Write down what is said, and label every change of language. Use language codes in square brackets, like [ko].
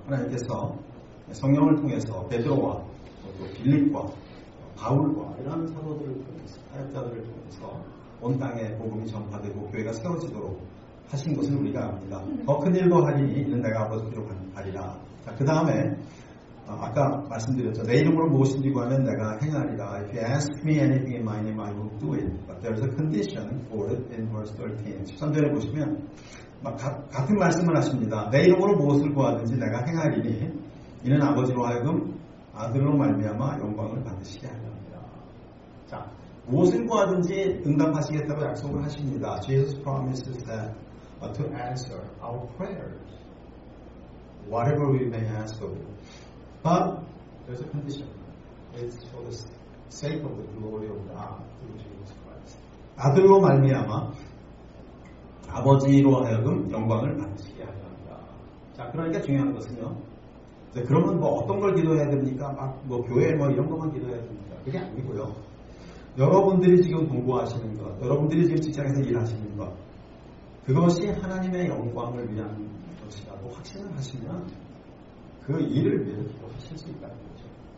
[ko] 하나님께서 성령을 통해서 베드로와 또 빌립과 바울과 이런 사도들을 통해서 사역자들을 통해서 온 땅에 복음이 전파되고 교회가 세워지도록 하신 것을 우리가 압니다. 더 큰 일도 하리니 이는 내가 아버지께로 가리라. 자, 그 다음에 아까 말씀드렸죠. 내 이름으로 무엇인지 구하면 내가 행하리라. [en] If you ask me anything in my name, I will do it. But there is a condition for it in verse 13. [ko] 13절에 보시면 같은 말씀을 하십니다. 내 이름으로 무엇을 구하든지 내가 행하리니 이는 아버지로 하여금 아들로 말미암아 영광을 받으시게 하려니라. 자, 무엇을 구하든지 응답하시겠다고 약속을 하십니다. [en] Jesus promises that to answer our prayers, whatever we may ask of you. But there's a condition. It's for the sake of the glory of God through Jesus Christ. [ko] 아들로 말미암아 아버지로 하여금 영광을 받으시게 하려합니다. 자, 그러니까 중요한 것은요. 자, 그러면 뭐 어떤 걸 기도해야 됩니까? 막 뭐 교회 뭐 이런 것만 기도해야 됩니까? 그게 아니고요. 여러분들이 지금 공부하시는 것, 여러분들이 지금 직장에서 일하시는 것, 그것이 하나님의 영광을 위한 것이라고 확신을 하시면 그 일을 위해서 기도하실 수 있다는 거죠.